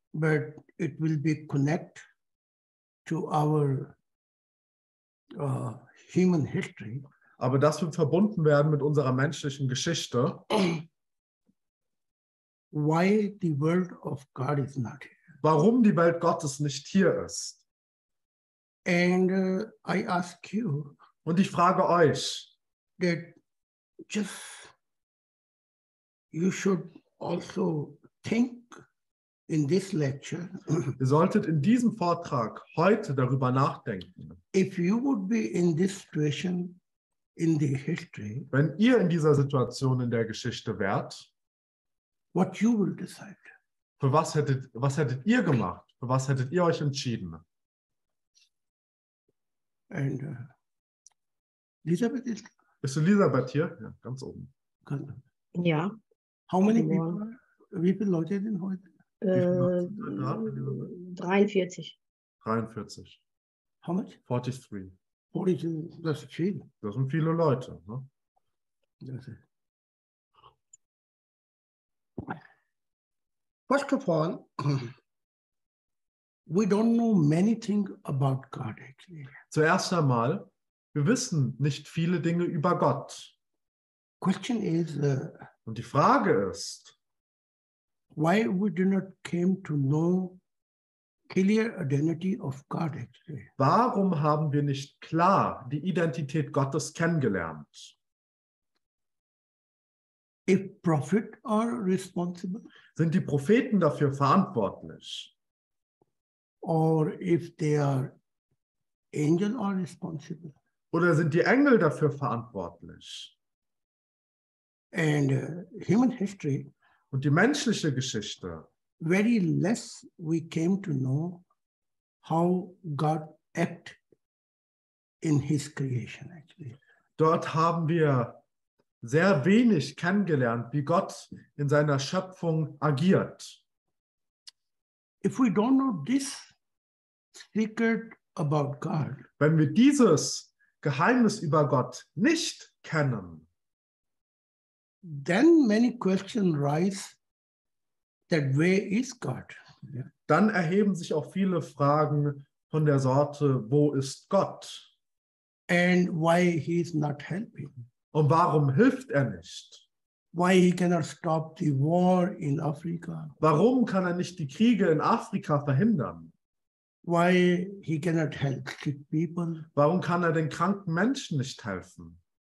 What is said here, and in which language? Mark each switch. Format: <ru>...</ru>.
<en>But it will be connect to our human history.</en> <de>Aber das wird verbunden werden mit unserer menschlichen Geschichte.</de> <en>Why the world of God is not here.</en> <de>Warum die Welt Gottes nicht hier ist.</de> <en>And I ask you</en> <de>Und ich frage euch,</de> <en>that just you should also think in this lecture.</en> <de>ihr solltet in diesem Vortrag heute darüber nachdenken.</de> <en>If you would be in this situation in the history,</en> <de>Wenn ihr in dieser Situation in der Geschichte wärt,</de> <en>what you will decide.</en> <de>für was hättet ihr gemacht? Für was hättet ihr euch entschieden?</de> <en>And Elisabeth</en> <de>ist Ist Elisabeth hier? Ja, ganz oben. ja.</de> <en>How many</en> <de>Guten</de> <en>people?</en> <de>Wie viele Leute sind heute? Morgen. 43. 43.</de> <en>How much?</en> <de>43. 43, das ist viel. Das sind viele Leute, ne? Das ist.</de> <en>First of all, we don't know many things about God actually.</en> <de>Zuerst einmal, wir wissen nicht viele Dinge über Gott.</de> <en>Question is,</en> <de>Und die Frage ist,</de> <en>why we do not came to know clear identity of God actually?</en> <de>warum haben wir nicht klar die Identität Gottes kennengelernt?</de> <en>If prophet are responsible,</en> <de>Sind die Propheten dafür verantwortlich?</de> <en>or if they are angel are responsible.</en> <de>Oder sind die Engel dafür verantwortlich?</de> <en>And human history,</en> <de>Und die menschliche Geschichte?</de> <en>very less we came to know how God act in his creation actually.</en> <de>Dort haben wir sehr wenig kennengelernt, wie Gott in seiner Schöpfung agiert.</de> <en>If we don't know this secret about God,</en> <de>Wenn wir dieses Geheimnis über Gott nicht kennen.</de> <en>then many questions rise that where is God?</en> <de>Dann erheben sich auch viele Fragen von der Sorte, wo ist Gott?</de> <en>And why he is not helping?</en> <de>Und warum hilft er nicht?</de> <en>Why he cannot stop the war in Africa?</en> <de>Warum kann er nicht die Kriege in Afrika verhindern?</de> <en>why he cannot help sick people?</en> <de>Warum kann er den kranken Menschen nicht helfen?</de>